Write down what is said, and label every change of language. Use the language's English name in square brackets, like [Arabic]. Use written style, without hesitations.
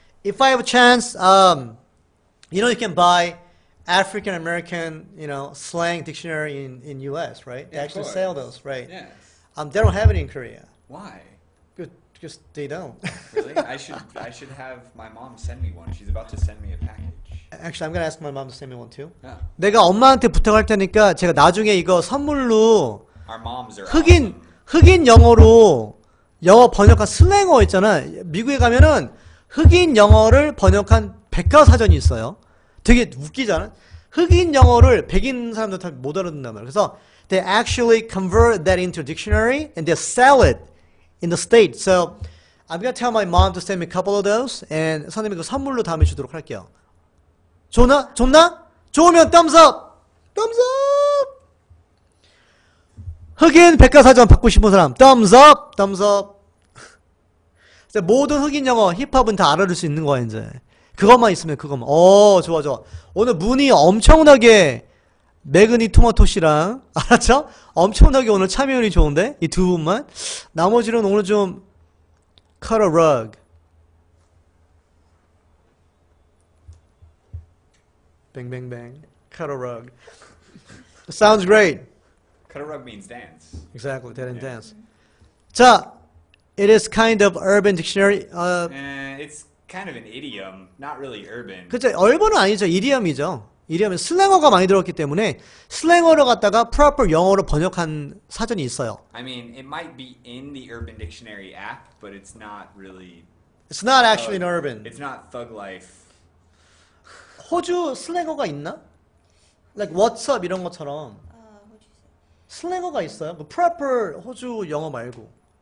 [English] If I have a chance, you know, you can buy African American, you know, slang dictionary in U.S., right? Yeah, they actually sell those, right? Yes. They don't have it in Korea. Why? Because they don't. Really? I should have my mom send me one. She's about to send me a package. Actually, I'm gonna ask my mom to send me one too. Yeah. [Korean] 내가 엄마한테 부탁할 테니까 제가 나중에 이거 선물로 [English] Our moms are [Korean] 흑인 [English] awesome. [Korean] 흑인 영어로 영어 번역한 슬랭어 있잖아. 미국에 가면은 흑인 영어를 번역한 백과사전이 있어요. 되게 웃기잖아. 흑인 영어를 백인 사람들 다 못 알아듣는단 말이야. 그래서 [English] they actually convert that into a dictionary and they sell it. In the state, so I'm gonna tell my mom to send me a couple of those, and [Korean] 선생님 이거 선물로 다음에 주도록 할게요. 좋나? 좋나? 좋으면 [English] thumbs up, thumbs up. [Korean] 흑인 백과사전 받고 싶은 사람 [English] thumbs up, thumbs up. [Korean] 이제 모든 흑인 영어 힙합은 다 알아들 수 있는 거야 이제. 그것만 있으면 그것만. 오, 좋아 좋아. 오늘 문이 엄청나게 매그니 토마토씨랑 알았죠? 엄청나게 오늘 참여율이 좋은데? 이 두 분만? 나머지는 오늘 좀 [English] cut a rug. Bang bang bang. Cut a rug. Sounds great. Cut a rug means dance. Exactly, that and dance. [Korean] 자, [English] it is kind of urban dictionary. It's kind of an idiom, not really urban. [Korean] 그쵸, urban은 아니죠, idiom이죠. 이러면 슬랭어가 많이 들었기 때문에 슬랭어로 갖다가 proper 영어로 번역한 사전이 있어요. [English] I mean, it might be in the Urban Dictionary app, but it's not really. It's not actually thug. In urban. It's not thug life. [Korean] 호주 슬랭어가 있나? [English] Like what's up [Korean] 이런 것처럼. 슬랭어가 있어요? 뭐 proper 호주 영어 말고.